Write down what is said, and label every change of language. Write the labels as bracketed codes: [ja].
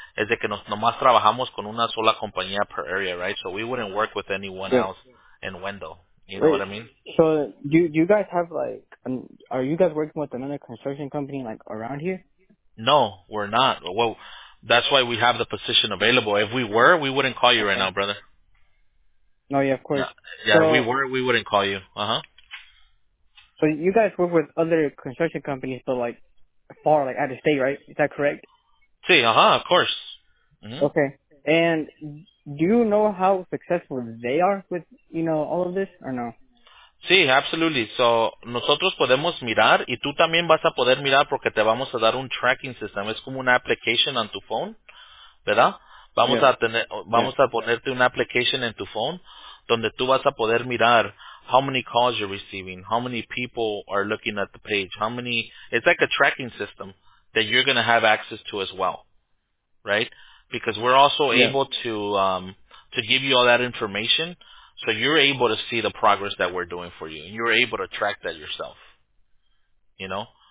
[es] Es de que nos, nomás trabajamos con una sola compañía [en] per area, right? So we wouldn't work with anyone else in Wendell. You know what I mean? So you guys have, like, are you guys working with another construction company, like, around here? No, we're not. Well, that's why we have the position available. If we were, we wouldn't call you right now, brother. No, yeah, of course. Yeah, so, if we were, we wouldn't call you. Uh-huh. So you guys work with other construction companies, but, like, far, like, out of state, right? Is that correct? See, of course. Mm-hmm. Okay. And do you know how successful they are with, you know, all of this or no? Sí, absolutely. [es] So, nosotros podemos mirar y tú también vas a poder mirar porque te vamos a dar un tracking system. Es como una application on tu phone, ¿verdad? Vamos a tener, vamos a ponerte una application en tu phone donde tú vas a poder mirar [en] how many calls you're receiving, how many people are looking at the page, how many, it's like a tracking system that you're going to have access to as well, right? Because we're also able to give you all that information so you're able to see the progress that we're doing for you and you're able to track that yourself, you know?